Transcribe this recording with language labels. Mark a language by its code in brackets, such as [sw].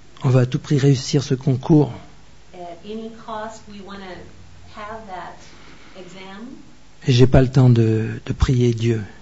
[fr] On va à tout prix réussir ce concours. [en] At any cost, we want to have that. [fr] Et je n'ai pas le temps de prier Dieu.